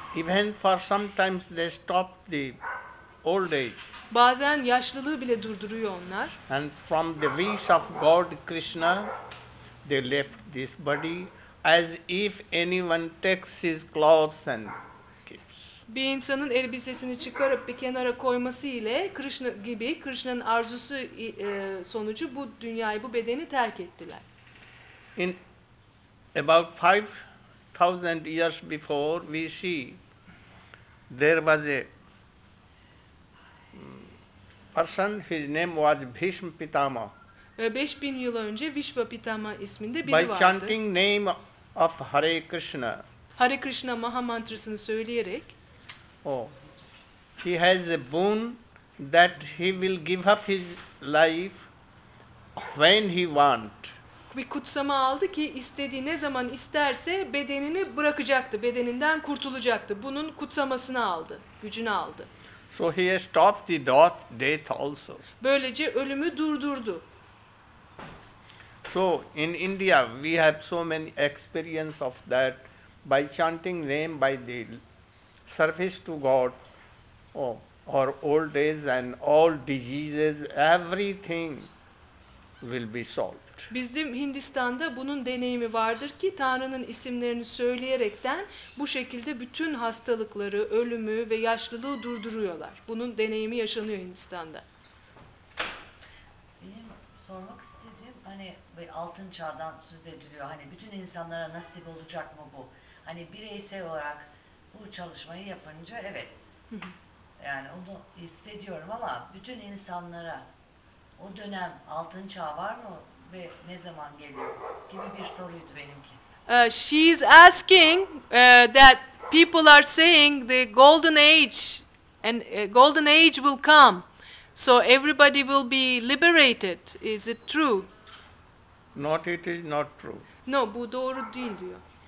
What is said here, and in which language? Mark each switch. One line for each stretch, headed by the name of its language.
English: even for sometimes they stop the old age,
Turkish: bazen yaşlılığı bile durduruyor onlar,
English: and from the wish of God Krishna they left this body as if anyone takes his clothes and keeps.
Turkish: Bir insanın elbisesini çıkarıp bir kenara koyması ile Krishna gibi Krishna'nın arzusu sonucu bu dünyayı, bu bedeni terk ettiler.
English: In about 5000 years before we see there was a person, his name was Bhishma Pitama.
Turkish: 5000 yıl önce Vishva Pitama isminde biri
English: by
Turkish: vardı.
English: By chanting name of Hare Krishna.
Turkish: Hare Krishna Maha Mantrasını söyleyerek.
English: Oh, he has a boon that he will give up his life when he want.
Turkish: Bir kutsama aldı ki istediği ne zaman isterse bedenini bırakacaktı, bedeninden kurtulacaktı. Bunun kutsamasını aldı, gücünü aldı.
English: So he has stopped the death also.
Turkish: Böylece ölümü durdurdu.
English: So in India we have so many experience of that by chanting name, by the service to God, oh, our old age and all diseases, everything will be solved.
Turkish: Bizim Hindistan'da bunun deneyimi vardır ki Tanrı'nın isimlerini söyleyerekten bu şekilde bütün hastalıkları, ölümü ve yaşlılığı durduruyorlar. Bunun deneyimi yaşanıyor Hindistan'da. Sormak istediğim hani bir altın çağdan söz ediliyor. Hani bütün insanlara nasip olacak mı bu? Hani bireysel olarak bu çalışmayı yapınca evet. Yani onu hissediyorum ama bütün insanlara o dönem altın çağ var mı ve ne zaman geliyor gibi bir soruydu benimki.
English: She is asking that people are saying the golden age and golden age will come. So everybody will be liberated. Is it true? Not, it is not true.
Turkish: No, bu doğru değil diyor.